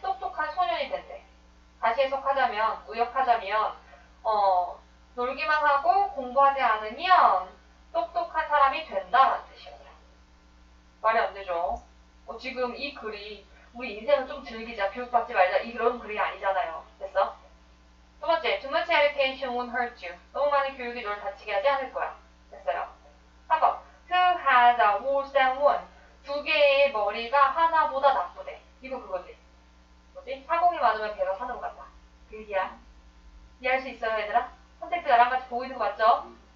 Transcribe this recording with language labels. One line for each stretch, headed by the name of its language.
Korean: 똑똑한 소년이 된대. 다시 해석하자면, 의역하자면 놀기만 하고 공부하지 않으면 똑똑한 사람이 된다라는 뜻이었다. 말이 안 되죠. 지금 이 글이 우리 인생을 좀 즐기자, 교육받지 말자 이런 글이 아니잖아요. 됐어? 두 번째,
English: too much education won't hurt you.
Korean: 너무 많은 교육이 널 다치게 하지 않을 거야. 됐어요. 3번,
English: who has a horse and one?
Korean: 두 개의 머리가 하나보다 나쁘대. 이거 그거지. 뭐지? 사공이 많으면 배가 산으로 간다. 그 얘기야. 이해할 수 있어요, 얘들아? 선택지 나랑 같이 보고 있는 거 맞죠?